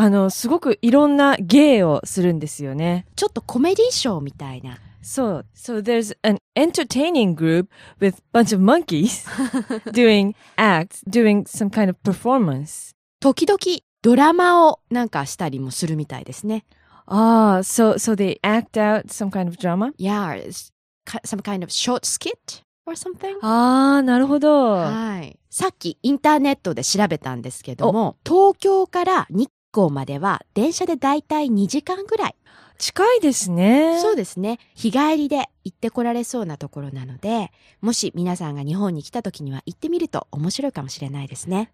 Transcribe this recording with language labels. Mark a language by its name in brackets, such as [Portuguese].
[Japanese] すごくいろんな芸をするんですよね。ちょっとコメディーショーみたいな。 [English] そう、 So there's an entertaining group with a bunch of monkeys doing acts, doing some kind of performance. [Japanese] 時々ドラマをなんかしたりもするみたいですね。 [English] Oh, so they act out some kind of drama? Yeah, it's some kind of short skit or something. [Japanese] ああ、なるほど。はい。さっきインターネットで調べたんですけども、東京から日光までは電車でだいたい2時間ぐらい。近いですね。そうですね。日帰りで行ってこられそうなところなので、もし皆さんが日本に来た時には行ってみると面白いかもしれないですね。